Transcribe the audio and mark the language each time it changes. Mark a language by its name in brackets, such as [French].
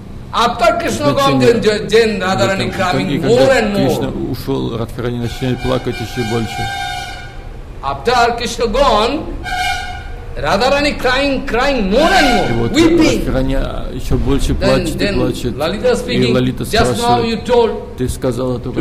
[English] After Krishna gone, then Radharani crying more and more. [Russian] Кришна ушел, Радхарани начинает плакать еще больше. [English] After Krishna gone, Radharani crying more and more, [Russian] вот, [English] weeping. [Russian] Радхарани еще больше плачет [English] then, [Russian] и плачет. [English] Lalita speaking, [Russian] и Лалита спрашивает, ты сказала только,